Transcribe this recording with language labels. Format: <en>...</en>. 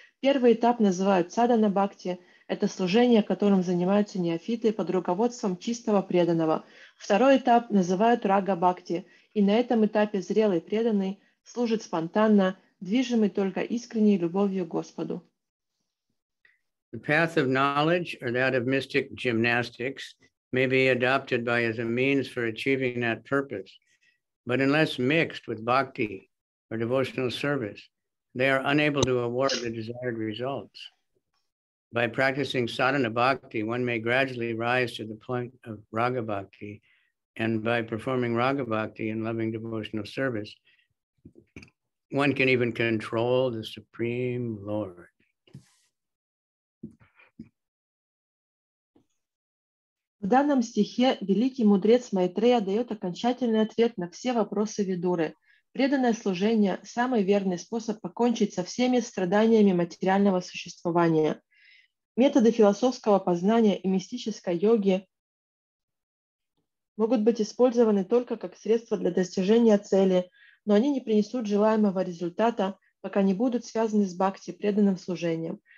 <ru>Первый этап называют садхана бхакти, это служение, которым занимаются неофиты под руководством чистого преданного. Второй этап называют рага бхакти, и на этом этапе зрелый преданный служит спонтанно, движимый только искренней любовью к Господу.</ru> <en>The path of knowledge, or that of mystic gymnastics, may be adopted by as a means for achieving that purpose. But unless mixed with bhakti or devotional service, they are unable to award the desired results. By practicing sadhana bhakti, one may gradually rise to the point of raga bhakti, and by performing raga bhakti and loving devotional service, one can even control the Supreme Lord.</en> <ru>В данном стихе великий мудрец Майтрея дает окончательный ответ на все вопросы Видуры. Преданное служение – самый верный способ покончить со всеми страданиями материального существования. Методы философского познания и мистической йоги могут быть использованы только как средство для достижения цели, но они не принесут желаемого результата, пока не будут связаны с бхакти, преданным служением.</ru>